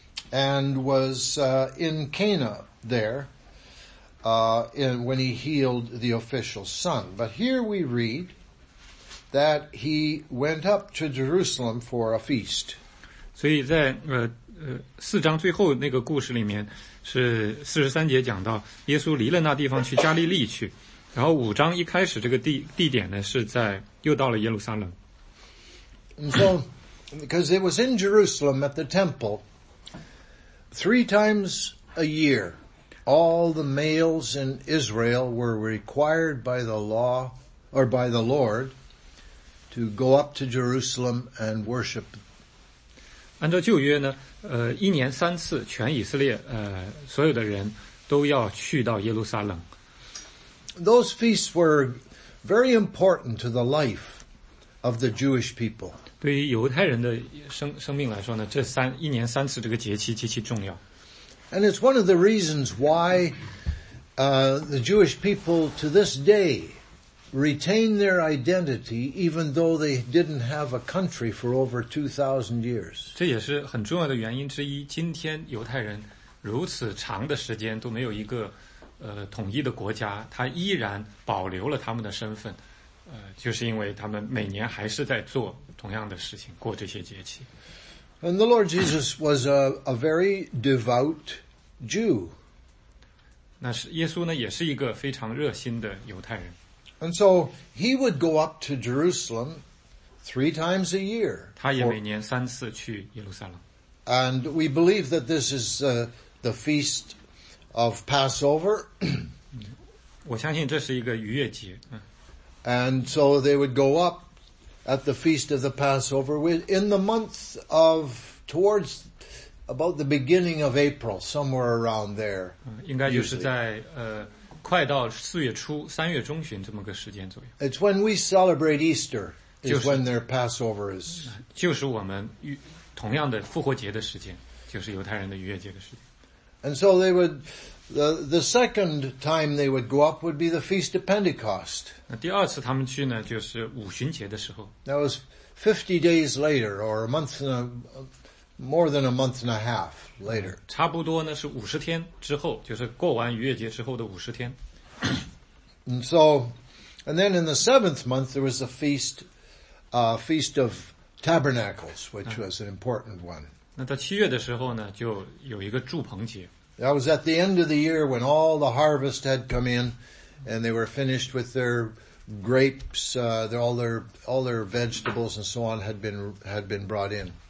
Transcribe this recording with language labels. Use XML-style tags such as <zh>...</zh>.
<en>And was in Cana there when he healed the official's son. But here we read that he went up to Jerusalem for a feast.</en> <zh>所以在四章最后那个故事里面是四十三节讲到耶稣离了那地方去加利利去，然后五章一开始这个地点呢是在又到了耶路撒冷。</zh> <en>And so, because it was in Jerusalem at the temple. Three times a year, all the males in Israel were required by the law, or by the Lord, to go up to Jerusalem and worship.</en> <zh>按照旧约呢，一年三次，全以色列所有的人都要去到耶路撒冷。</zh> <en>Those feasts were very important to the life of the Jewish people.</en> <zh>对于犹太人的生命来说呢，这一年三次这个节期极其重要。</zh> <en>And it's one of the reasons why, the Jewish people to this day retain their identity even though they didn't have a country for over 2,000 years.</en> <zh>这也是很重要的原因之一，今天犹太人如此长的时间都没有一个统一的国家，他依然保留了他们的身份。就是因为他们每年还是在做同样的事情，过这些节期。</zh> <en>And the Lord Jesus was a very devout Jew.</en> <zh>那是耶稣呢，也是一个非常热心的犹太人。</zh> <en>And so he would go up to Jerusalem three times a year.</en> <zh>他也每年三次去耶路撒冷。</zh> <en>And we believe that this is the feast of Passover.</en> <zh>我相信这是一个逾越节。</zh> <en>And so they would go up at the Feast of the Passover in the month of, towards about the beginning of April, somewhere around there.</en> <zh>应该就是在快到四月初三月中旬这么个时间左右。</zh> <en>It's when we celebrate Easter, is when their Passover is.</en> <zh>就是我们同样的复活节的时间，就是犹太人的逾越节的时间。</zh> <en>And so they would, the second time they would go up would be the Feast of Pentecost.</en> <zh>那第二次他们去呢，就是五旬节的时候。</zh> <en>That was 50 days later, or a month and a, more than a month and a half later.</en> <zh>差不多呢，是五十天之后，就是过完逾越节之后的五十天。</zh> <en>And so, and then in the seventh month there was a feast, Feast of Tabernacles, which was an important one.</en> <zh>那到七月的时候呢，就有一个祝棚节。</zh> <en>That was at the end of the year when all the harvest had come in, and they were finished with their grapes, all their vegetables and so on had been brought in.</en>